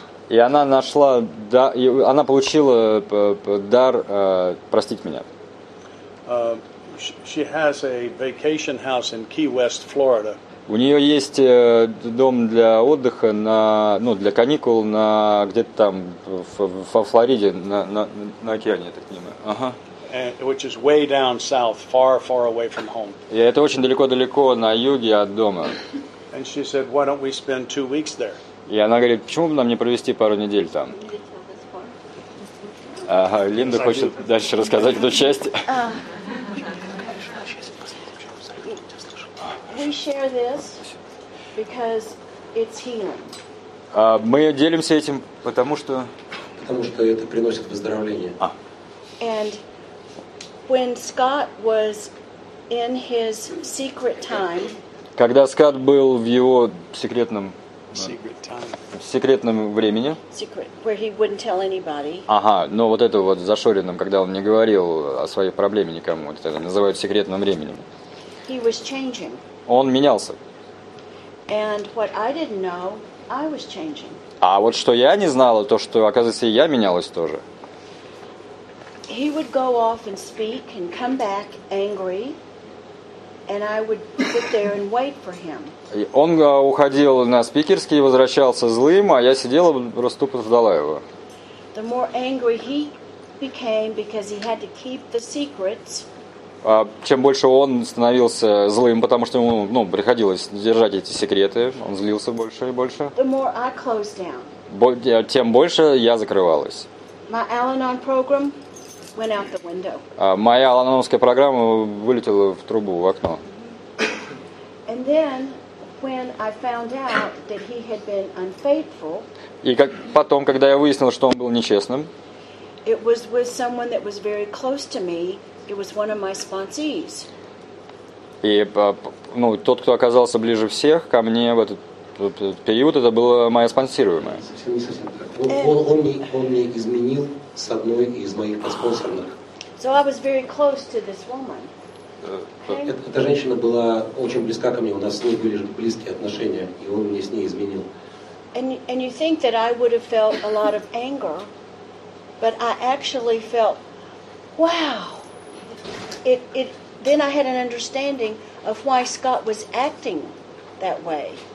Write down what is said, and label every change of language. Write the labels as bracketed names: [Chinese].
[Russian] И она нашла, да, и она получила дар простить меня. [English] She has a vacation house in Key West, Florida. [Russian] У нее есть дом для отдыха для каникул на где-то там во Флориде, на океане, я так понимаю. Ага. [English] Which is way down south, far, far away from home. [Russian] И это очень далеко-далеко на юге от дома. [English] And she said, "Why don't we spend 2 weeks there?" [Russian] И она говорит, почему бы нам не провести пару недель там? Ага, Линда хочет дальше рассказать эту часть. [English] We share this because it's healing. [Russian] Мы делимся этим, потому что... Потому что это приносит выздоровление. А. [English] And when Scott was in his secret time, [Russian] когда Скотт был в его секретном... [English] Secret time. [Russian] В секретном времени. [English] Secret, where he wouldn't tell anybody. [Russian] Ага, но вот это вот зашоренным, когда он не говорил о своей проблеме никому, это называют секретным временем. [English] He was changing. [Russian] Он менялся. [English] And what I didn't know, I was changing. [Russian] А вот что я не знала, то, что, оказывается, и я менялась тоже. [English] He would go off and speak and come back angry, and I would sit there and wait for him. [Russian] Он уходил на спикерский и возвращался злым, а я сидела, просто тупо ждала его. [English] The more angry he became because he had to keep the secrets. [Russian] Чем больше он становился злым, потому что ему, ну, приходилось держать эти секреты, он злился больше и больше. [English] The more I closed down. [Russian] Тем больше я закрывалась. [English] My Al-Anon program went out the window. [Russian] Моя Al-Anonская программа вылетела в трубу, в окно. [English] And then, when I found out that he had been unfaithful. [Russian] И как потом, когда я выяснил, что он был нечестным. [English] It was with someone that was very close to me. It was one of my sponsees. [Russian] И, ну, тот, кто оказался ближе всех ко мне в этот период, это была моя спонсируемая. Совсем не совсем так. Он мне изменил с одной из моих спонсорных. [English] So I was very close to this woman. [Russian] Эта женщина была очень близка ко мне. У нас с ней были близкие отношения, и он мне с ней изменил. [English] And you think that I would have felt a lot of anger, but I actually felt, wow. It then I had an understanding of why Scott was acting that way.